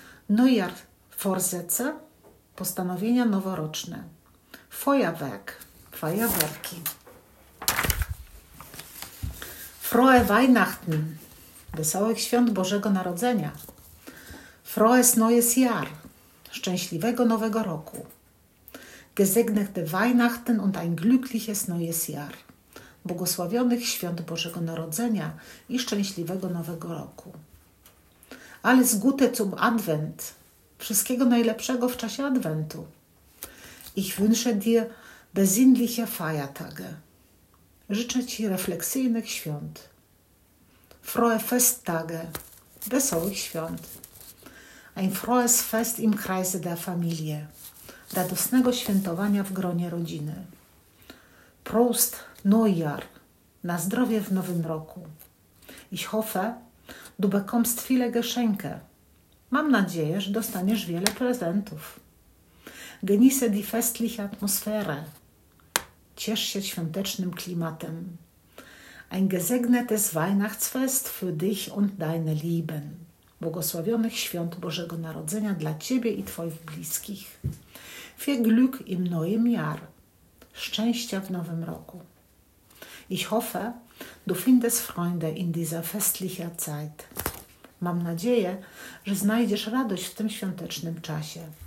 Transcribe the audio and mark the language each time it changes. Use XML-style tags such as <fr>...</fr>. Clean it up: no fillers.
<pl>Neujahrsvorsätze, postanowienia noworoczne.</pl> <de>Feuerwerk, fajerwerki. Frohe Weihnachten,</de> <pl>Wesołych Świąt Bożego Narodzenia.</pl> <de>Frohes neues Jahr,</de> <pl>szczęśliwego nowego roku.</pl> <de>Gesegnete Weihnachten und ein glückliches neues Jahr.</de> <pl>Błogosławionych Świąt Bożego Narodzenia i szczęśliwego nowego roku.</pl> <de>Alles Gute zum Advent.</de> <pl>Wszystkiego najlepszego w czasie Adwentu.</pl> <de>Ich wünsche dir besinnliche Feiertage.</de> <pl>Życzę Ci refleksyjnych świąt.</pl> <de>Frohe Festtage.</de> <pl>Wesołych świąt.</pl> <de>Ein frohes Fest im Kreise der Familie.</de> <pl>Radosnego świętowania w gronie rodziny.</pl> <de>Prost Neujahr.</de> <pl>Na zdrowie w nowym roku.</pl> <de>Ich hoffe, du bekommst viele Geschenke.</de> <pl>Mam nadzieję, że dostaniesz wiele prezentów.</pl> <de>Genieße die festliche Atmosphäre.</de> <pl>Ciesz się świątecznym klimatem.</pl> <de>Ein gesegnetes Weihnachtsfest für dich und deine Lieben.</de> <pl>Błogosławionych Świąt Bożego Narodzenia dla Ciebie i Twoich bliskich.</pl> <de>Viel Glück im neuen Jahr.</de> <pl>Szczęścia w nowym roku.</pl> <de>Ich hoffe, du findest Freunde in dieser festlicher Zeit.</de> <pl>Mam nadzieję, że znajdziesz radość w tym świątecznym czasie.</pl>